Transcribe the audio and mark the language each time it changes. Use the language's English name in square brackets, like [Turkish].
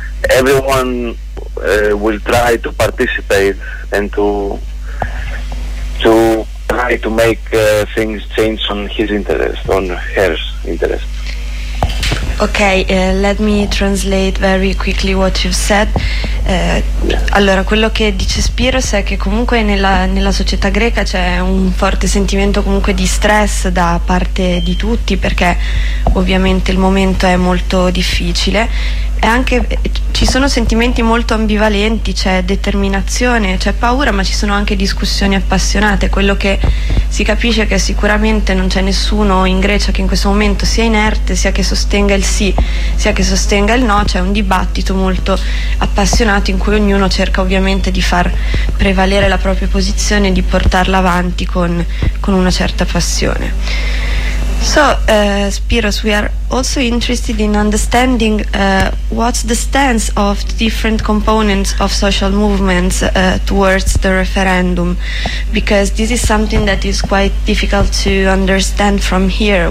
[English] everyone will try to participate and to try to make things change on his interest, on her interest. Okay, let me translate very quickly what you've said. [Italian] Allora, quello che dice Spiros è che comunque nella società greca c'è un forte sentimento comunque di stress da parte di tutti, perché ovviamente il momento è molto difficile. E anche ci sono sentimenti molto ambivalenti, c'è determinazione, c'è paura, ma ci sono anche discussioni appassionate. Quello che si capisce è che sicuramente non c'è nessuno in Grecia che in questo momento sia inerte, sia che sostenga il sì, sia che sostenga il no. C'è un dibattito molto appassionato in cui ognuno cerca ovviamente di far prevalere la propria posizione e di portarla avanti con una certa passione. [English] So, Spiros, we are also interested in understanding what's the stance of different components of social movements towards the referendum, because this is something that is quite difficult to understand from here.